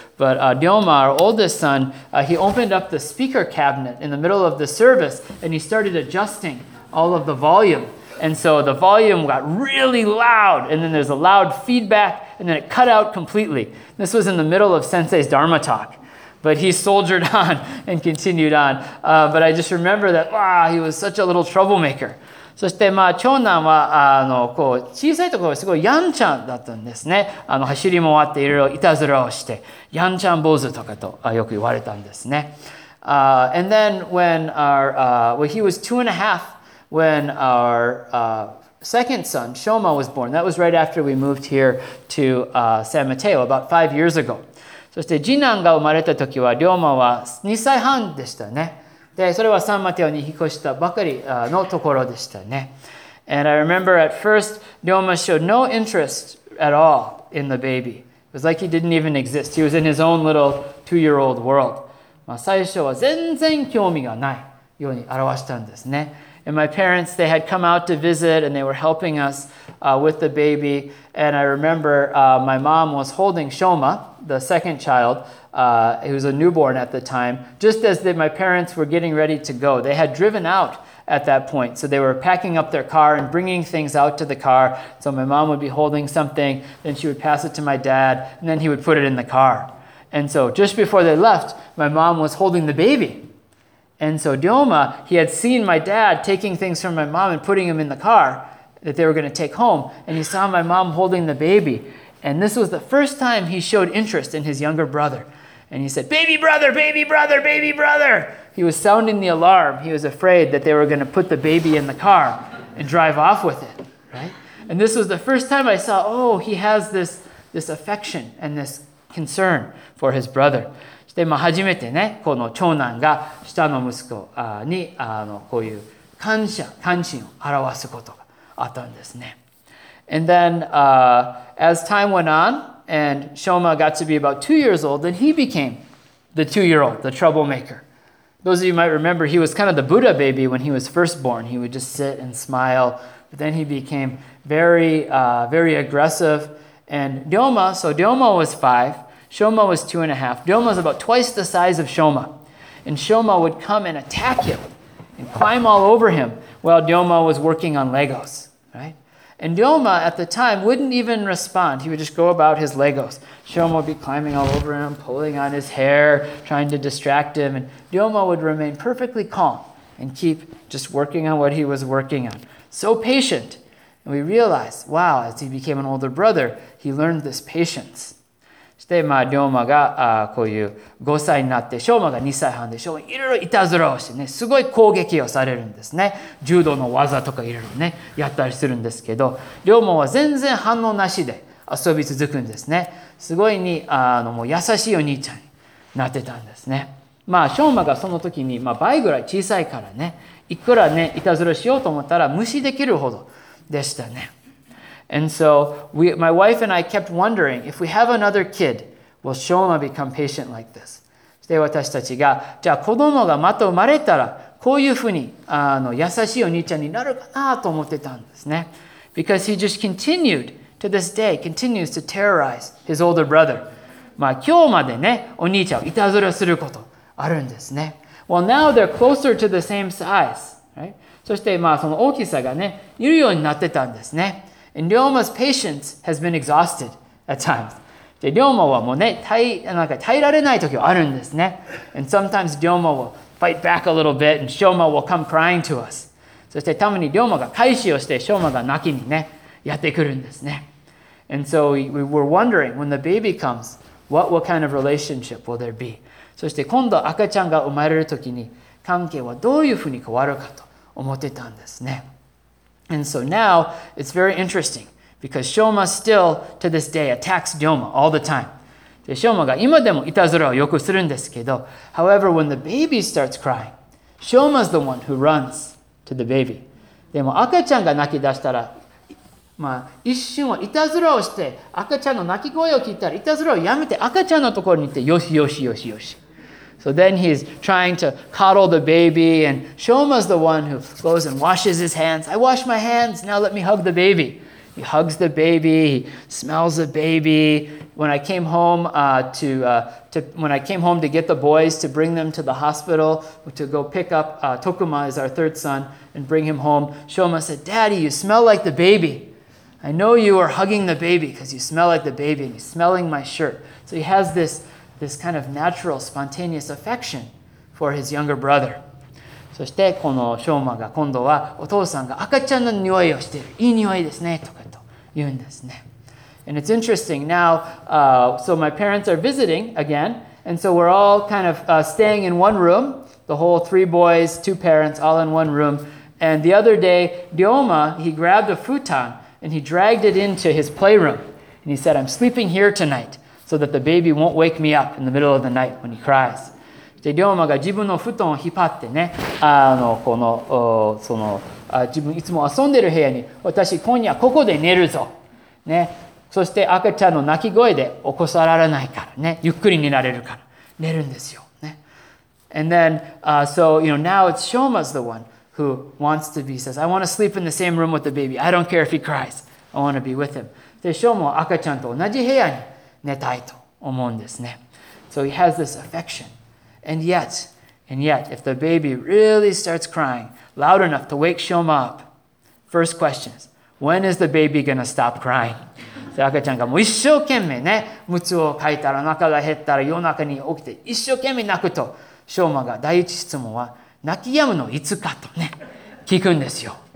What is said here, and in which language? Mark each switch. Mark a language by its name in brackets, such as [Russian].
[English] But Ryoma, our oldest son, he opened up the speaker cabinet in the middle of the service and he started adjusting all of the volume. And so the volume got really loud and then there's a loud feedback and then it cut out completely. This was in the middle of Sensei's Dharma talk. But he soldiered on and continued on. But I just remember that, wow, he was such a little troublemaker. [Japanese] そして、まあ、長男は、こう、小さいところはすごいやんちゃんだったんですね。走りもあっていろいろいたずらをして、やんちゃん坊主とかと、よく言われたんですね。 [English] And then when our, well, he was 2.5 when our, second son, Shoma, was born. That was right after we moved here to, San Mateo, about 5 years ago. [Japanese] そして次男が生まれた時は龍馬は2歳半でしたね。で、それはサンマテオに引っ越したばかりのところでしたね。 [English] And I remember at first, 龍馬 showed no interest at all in the baby. It was like he didn't even exist. He was in his own little two-year-old world. [Japanese] まあ最初は全然興味がないように表したんですね。 [English] And my parents, they had come out to visit and they were helping us, with the baby. And I remember, my mom was holding Shoma, the second child. He was a newborn at the time. Just as my parents were getting ready to go, they had driven out at that point. So they were packing up their car and bringing things out to the car. So my mom would be holding something, then she would pass it to my dad, and then he would put it in the car. And so just before they left, my mom was holding the baby. And so Ryoma, he had seen my dad taking things from my mom and putting them in the car that they were going to take home. And he saw my mom holding the baby. And this was the first time he showed interest in his younger brother. And he said, baby brother, baby brother, baby brother. He was sounding the alarm. He was afraid that they were going to put the baby in the car and drive off with it. Right? And this was the first time I saw, oh, he has this affection and this concern for his brother. [Japanese] で、まあ、初めてね、この長男が下の息子に、こういう感謝、関心を表すことがあったんですね。 [English] And then, as time went on, and Shoma got to be about 2 years old, then he became the two-year-old, the troublemaker. Those of you might remember, he was kind of the Buddha baby when he was first born. He would just sit and smile, but then he became very, very aggressive. And Ryoma, so Ryoma was five,Shoma was 2.5. Ryoma was about twice the size of Shoma. And Shoma would come and attack him and climb all over him while Ryoma was working on Legos. Right? And Ryoma at the time wouldn't even respond. He would just go about his Legos. Shoma would be climbing all over him, pulling on his hair, trying to distract him. And Ryoma would remain perfectly calm and keep just working on what he was working on. So patient. And we realized, wow, as he became an older brother, he learned this patience. [Japanese] そして、まあ、龍馬が、こういう5歳になって、翔馬が2歳半で、翔馬がいろいろいたずらをしてね、すごい攻撃をされるんですね。柔道の技とかいろいろね、やったりするんですけど、龍馬は全然反応なしで遊び続くんですね。すごいに、もう優しいお兄ちゃんになってたんですね。まあ、翔馬がその時に、まあ、倍ぐらい小さいからね、いくらね、いたずらしようと思ったら無視できるほどでしたね。 [English] And so my wife and I kept wondering, if we have another kid, will Shoma become patient like this? [Japanese] そして私たちが、じゃあ子供がまた生まれたら、こういうふうに優しいお兄ちゃんになるかなと思ってたんですね。 [English] Because he just continued to this day, continues to terrorize his older brother. [Japanese] まあ今日までね、お兄ちゃんをいたずらすることあるんですね。 [English] Well, now they're closer to the same size, right? [Japanese] そしてまあその大きさがね、いるようになってたんですね。 [English] And Ryoma's patience has been exhausted at times. [Japanese] で、Ryoma はもうね、耐えられない時はあるんですね。 [English] And sometimes Ryoma will fight back a little bit and Shoma will come crying to us. [Japanese] そしてたまに Ryoma が返しをして、Shoma が泣きにね、やってくるんですね。 [English] And so we were wondering, when the baby comes, what kind of relationship will there be? [Japanese] そして今度赤ちゃんが生まれる時に、関係はどういうふうに変わるかと思ってたんですね。 [English] And so now, it's very interesting, Because Shoma still, to this day, attacks Dioma all the time. [Japanese] で、ショーマが今でもいたずらをよくするんですけど、 [English] However, when the baby starts crying, Shoma's the one who runs to the baby. [Japanese] でも赤ちゃんが泣き出したら、まあ、一瞬はいたずらをして、赤ちゃんの泣き声を聞いたら、いたずらをやめて赤ちゃんのところに行って、よしよしよしよし。 [English] So then he's trying to coddle the baby, and Shoma's the one who goes and washes his hands. I wash my hands, now let me hug the baby. He hugs the baby, he smells the baby. When I came home, to get the boys to bring them to the hospital to go pick up, Tokuma is our third son, and bring him home, Shoma said, Daddy, you smell like the baby. I know you are hugging the baby because you smell like the baby and he's smelling my shirt. So he has this kind of natural, spontaneous affection for his younger brother. [Japanese] そしてこのショーマが今度はお父さんが赤ちゃんの匂いをしている。いい匂いですね。とかと言うんですね。 [English] And it's interesting now, so my parents are visiting again. And so we're all kind of staying in one room. The whole three boys, two parents, all in one room. And the other day, Ryoma, he grabbed a futon and he dragged it into his playroom. And he said, I'm sleeping here tonight. So that the baby won't wake me up in the middle of the night when he cries. [Japanese] で、リョーマが自分の布団を引っ張ってね、自分いつも遊んでる部屋に、私今夜ここで寝るぞ。ね。そして赤ちゃんの泣き声で起こさられないからね。ゆっくり寝られるから。寝るんですよ。ね。 [English] And then, now it's Shoma's the one who wants to be, says, I want to sleep in the same room with the baby. I don't care if he cries. I want to be with him. [Japanese] で、ショーマは赤ちゃんと同じ部屋に寝たいと思うんですね。 [English] So he has this affection. And yet, if the baby really starts crying loud enough to wake Shoma up, first question is, when is the baby going to stop crying? [Japanese] で、赤ちゃんがもう一生懸命ね、むつをかいたら、お腹が減ったら、夜中に起きて一生懸命泣くと、ショーマが第一質問は、泣き止むのいつかとね、聞くんですよ。